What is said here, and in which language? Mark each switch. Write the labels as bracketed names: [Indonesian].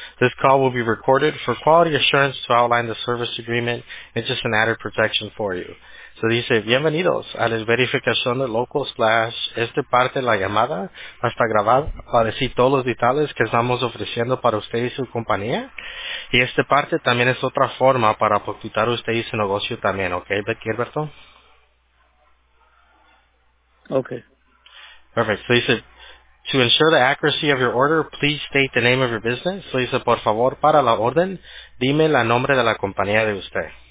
[English] This call will be recorded for quality assurance to outline the service agreement and just an added protection for you. [Spanish] So dice, bienvenidos a la verificación de Local Splash. Esta parte de la llamada va a estar grabada para decir todos los detalles que estamos ofreciendo para usted y su compañía. Y esta parte también es otra forma para apuntar usted y su negocio también, ¿ok, Gilberto? [English] Okay. Perfect. So dice, to ensure the accuracy of your order, please state the name of your business. [Spanish] So dice, por favor, para la orden, dime el nombre de la compañía de usted.